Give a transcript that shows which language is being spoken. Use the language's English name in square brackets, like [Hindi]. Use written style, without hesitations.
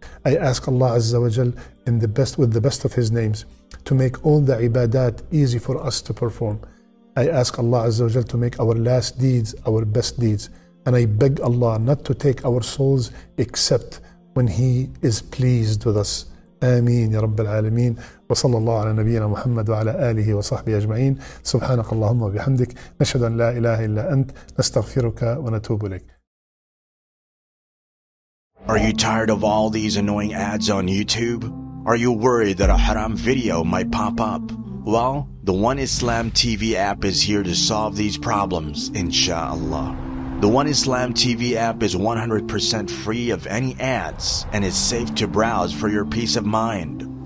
[English] I ask Allah Azza wa Jal with the best of His names to make all the ibadat easy for us to perform. I ask Allah Azza wa Jal to make our last deeds our best deeds. And I beg Allah not to take our souls except when He is pleased with us. [Arabic] آمين يا رب العالمين وصلى الله على نبينا محمد وعلى آله وصحبه أجمعين سبحانك اللهم وبحمدك نشهد أن لا إله إلا أنت نستغفرك ونتوب إليك. [English] Are you tired of all these annoying ads on YouTube? Are you worried that a haram video might pop up? Well, the One Islam TV app is here to solve these problems, inshallah. The One Islam TV app is 100% free of any ads and is safe to browse for your peace of mind.